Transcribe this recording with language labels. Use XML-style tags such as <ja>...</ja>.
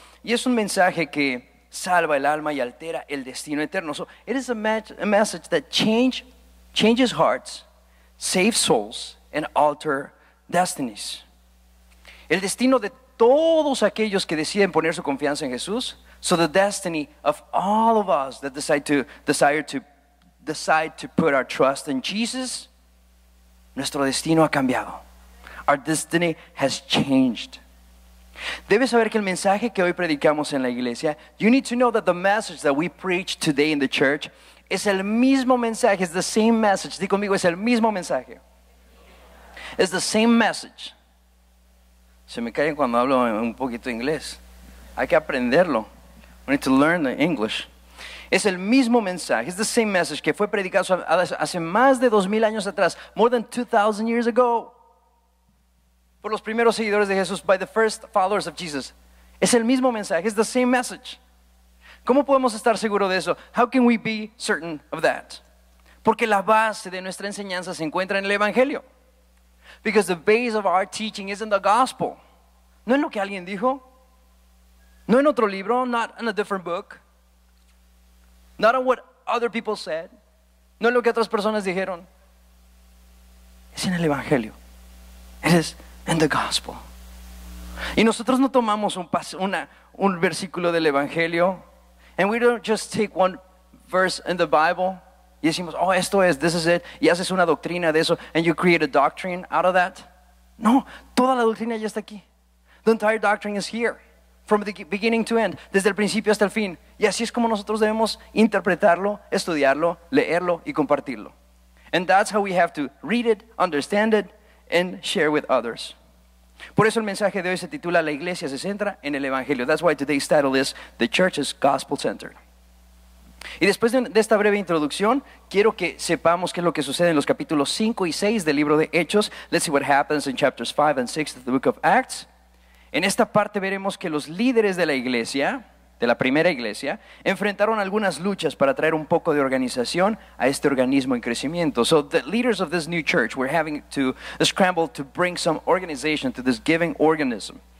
<es>Y es un mensaje que salva el alma y altera el destino eterno.</es> <en>So it is a message that changes hearts, saves souls, and alters destinies.</en> <es>El destino de todos aquellos que deciden poner su confianza en Jesús.</es> <en>So the destiny of all of us that decide to put our trust in Jesus.</en> <es>Nuestro destino ha cambiado.</es> <en>Our destiny has changed.</en> <es>Debes saber que el mensaje que hoy predicamos en la iglesia,</es> <en>you need to know that the message that we preach today in the church</en> <es>es el mismo mensaje,</es> <en>it's the same message.</en> <es>Di conmigo, es el mismo mensaje.</es> <en>It's the same message.</en> <es>Se me callan cuando hablo un poquito inglés. Hay que aprenderlo.</es> <en>We need to learn the English.</en> <es>Es el mismo mensaje,</es> <en>it's the same message</en> <es>que fue predicado hace más de 2,000 años atrás,</es> <en>more than 2,000 years ago.</en> <es>Por los primeros seguidores de Jesús,</es> <en>by the first followers of Jesus.</en> <es>Es el mismo mensaje,</es> <en>it's the same message.</en> <es>¿Cómo podemos estar seguros de eso?</es> <en>How can we be certain of that?</en> <es>Porque la base de nuestra enseñanza se encuentra en el Evangelio.</es> <en>Because the base of our teaching is in the gospel.</en> <es>No en lo que alguien dijo. No en otro libro,</es> <en>not in a different book. Not on what other people said.</en> <es>No en lo que otras personas dijeron. Es en el Evangelio.</es> <en>It is in the gospel.</en> <es>Y nosotros no tomamos un versículo del Evangelio.</es> <en>And we don't just take one verse in the Bible.</en> <es>Y decimos, oh, esto es,</es> <en>this is it.</en> <es>Y haces una doctrina de eso.</es> <en>And you create a doctrine out of that.</en> <es>No, toda la doctrina ya está aquí.</es> <en>The entire doctrine is here. From the beginning to end.</en> <es>Desde el principio hasta el fin. Y así es como nosotros debemos interpretarlo, estudiarlo, leerlo y compartirlo.</es> <en>And that's how we have to read it, understand it, and share with others.</en> <es>Por eso el mensaje de hoy se titula La Iglesia se centra en el Evangelio.</es> <en>That's why today's title is The Church is Gospel Centered.</en> <es>Y después de esta breve introducción, quiero que sepamos qué es lo que sucede en los capítulos 5 y 6 del libro de Hechos.</es> <en>Let's see what happens in chapters 5 and 6 of the book of Acts.</en> <es>En esta parte veremos que los líderes de la iglesia, de la primera iglesia, enfrentaron algunas luchas para traer un poco de organización a este organismo en crecimiento.</es> <en>So the leaders of this new church were having to scramble to bring some organization to this giving organism.</en>